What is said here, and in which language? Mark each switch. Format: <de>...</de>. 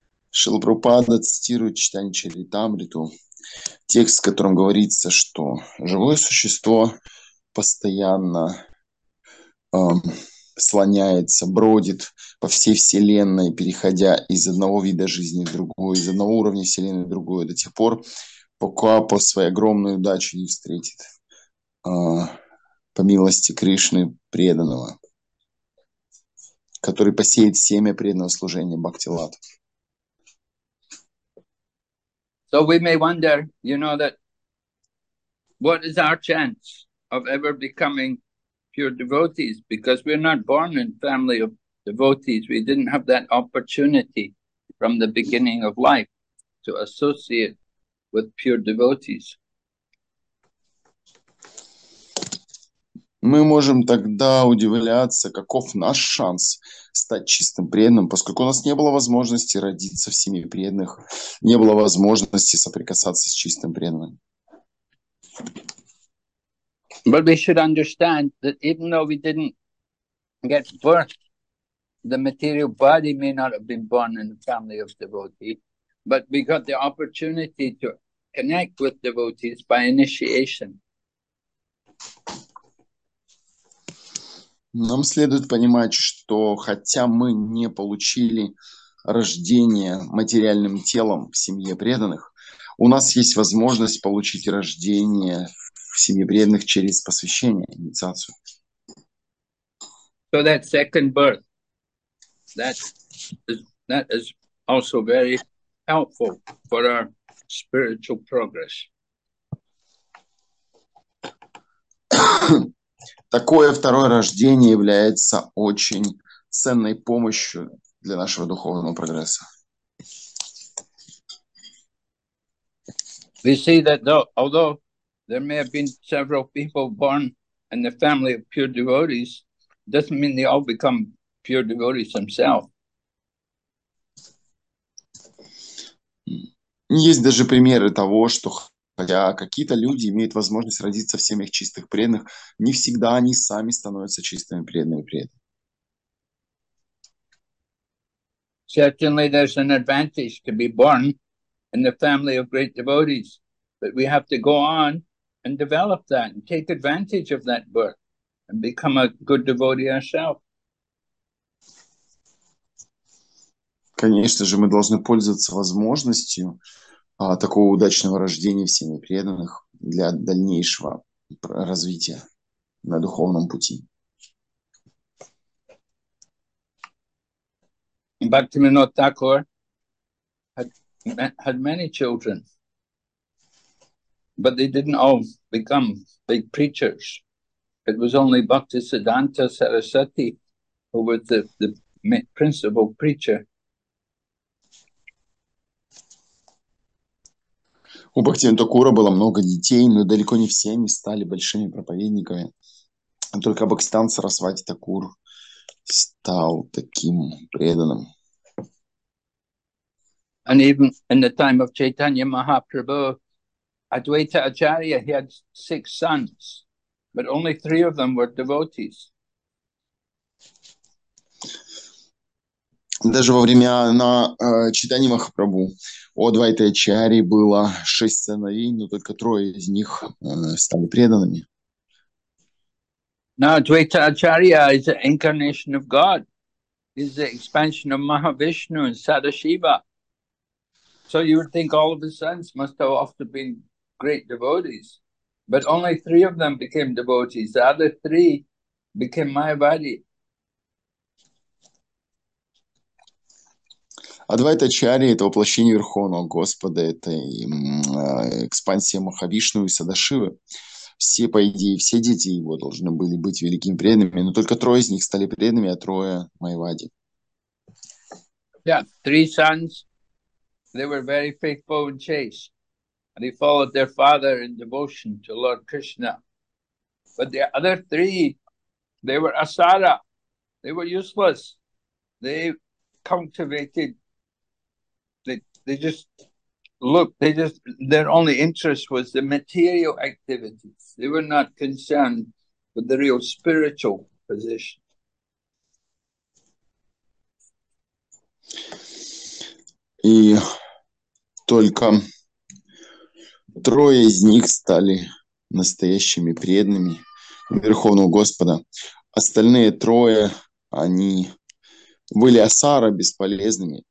<ru>Шрила Прабхупада цитирует Чайтанья Чаритамриту, текст, в котором говорится, что живое существо постоянно слоняется, бродит по всей Вселенной, переходя из одного вида жизни в другой, из одного уровня Вселенной в другой, до тех пор, пока по своей огромной удаче не встретит по милости Кришны преданного, который посеет семя преданного служения Бхактилат.</ru> <en>So we may wonder, you know, that what is our chance of ever becoming pure devotees? Because we're not born in family of devotees, we didn't have that opportunity from the beginning of life to associate with pure devotees.</en> <ru>Мы можем тогда удивляться, каков наш шанс стать чистым преданным, поскольку у нас не было возможности родиться в семье преданных, не было возможности соприкасаться с чистым преданным.</ru> <en>But we should understand that even though we didn't get birth, the material body may not have been born in the family of devotee, but we got the opportunity to connect with devotees by initiation.</en> <ru>Нам следует понимать, что хотя мы не получили рождение материальным телом в семье преданных, у нас есть возможность получить рождение в семье преданных через посвящение, инициацию.</ru> <en>So that second birth, that is also very helpful for our spiritual progress.</en> <ru>Такое второе рождение является очень ценной помощью для нашего духовного прогресса.</ru> <en>We see that though, although there may have been several people born in the family of pure devotees, doesn't mean they all become pure devotees themselves.</en> <ru>Есть даже примеры того, что хотя какие-то люди имеют возможность родиться в семьях чистых преданных, не всегда они сами становятся чистыми преданными при этом.</ru> <en>Certainly there's an advantage to be born in the family of great devotees, but we have to go on and develop that and take advantage of that birth and become a good devotee ourselves.</en> <ru>Конечно же, мы должны пользоваться возможностью такого удачного рождения в семье преданных для дальнейшего развития на духовном пути.</ru> <en>Бхактивинод Тхакур had many children, but they didn't all become big preachers. It was only Bhaktisiddhanta Sarasvati who was the principal preacher.</en> <ru>У Бхактивинода Тхакура было много детей, но далеко не все они стали большими проповедниками. Только Бхактисиддханта Сарасвати Тхакур стал таким преданным.</ru> <en>And even in the time of Chaitanya Mahaprabhu, Advaita Acharya, he had six sons, but only three of them were devotees.</en> <ru>Даже во время Чайтаньи Махапрабху у Адвайты Ачари было шесть сыновей, но только трое из них стали преданными.</ru> <en>Now Advaita Acharya is the incarnation of God. He's the expansion of Mahavishnu and Sadashiva. So you would think all of his sons must have often been great devotees. But only three of them became devotees. The other three became Mayavadi.</en> <ru>Адвайта Ачарья – это воплощение Верховного Господа, это экспансия Махавишну и Садашивы. Все, по идее, все дети его должны были быть великими преданными, но только трое из них стали преданными, а трое – Майвади.</ru> <en>Yeah, three sons, they were very faithful and chaste. And they followed their father in devotion to Lord Krishna. But the other three, they were asara. They were useless. They cultivated their only interest was the material activities. They were not concerned with the real spiritual position.</en> <ru>И только трое из них стали настоящими преданными Верховного Господа. Остальные трое, они были асара бесполезными.</ru>